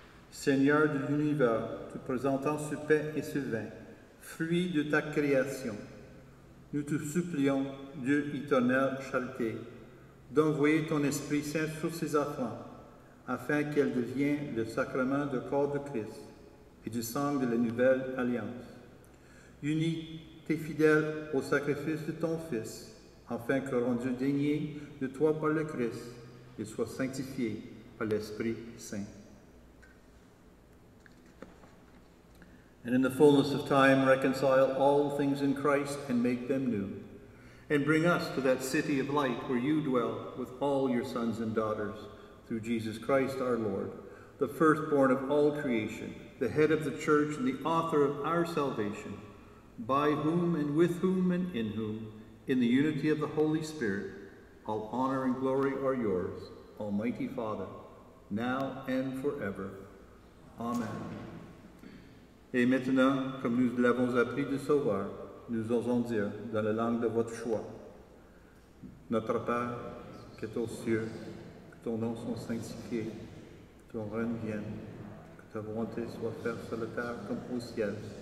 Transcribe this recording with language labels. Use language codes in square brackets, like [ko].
[fr] Seigneur de l'univers, te présentant ce pain et ce vin, fruit de ta création, nous te supplions, Dieu éternel, charité, d'envoyer ton Esprit Saint sur ses enfants, afin qu'elle devienne le sacrement du corps de Christ et du sang de la nouvelle alliance. Unis tes fidèles au sacrifice de ton Fils, afin que rendu digne de toi par le Christ, il soit sanctifié par l'Esprit Saint. [en] And in the fullness of time, reconcile all things in Christ and make them new. And bring us to that city of light where you dwell with all your sons and daughters through Jesus Christ our Lord, the firstborn of all creation, the head of the church and the author of our salvation, by whom and with whom and in whom, in the unity of the Holy Spirit, all honor and glory are yours, Almighty Father, now and forever. Amen. [fr] Et maintenant, comme nous l'avons appris de sauveur, nous osons dire dans la langue de votre choix. Notre Père, qui est aux cieux, que ton nom soit sanctifié, que ton règne vienne, que ta volonté soit faite sur la terre comme au ciel.